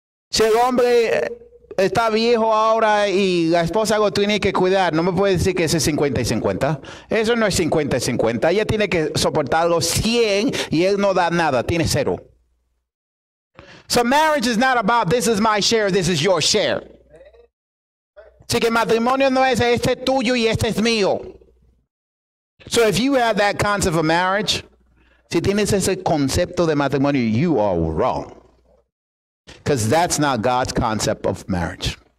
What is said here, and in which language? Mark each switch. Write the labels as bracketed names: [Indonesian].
[Spanish] Si el hombre está viejo ahora y la esposa lo tiene que cuidar, no me puede decir que ese es 50-50. Eso no es 50-50. Ella tiene que soportarlo 100 y él no da nada, tiene cero. [English] So marriage is not about this is my share, this is your share. [Spanish] Así que matrimonio no es este es tuyo y este es mío. [English] So if you have that concept of marriage, [Spanish] si tienes ese concepto de matrimonio, [English] you are wrong. Because that's not God's concept of marriage.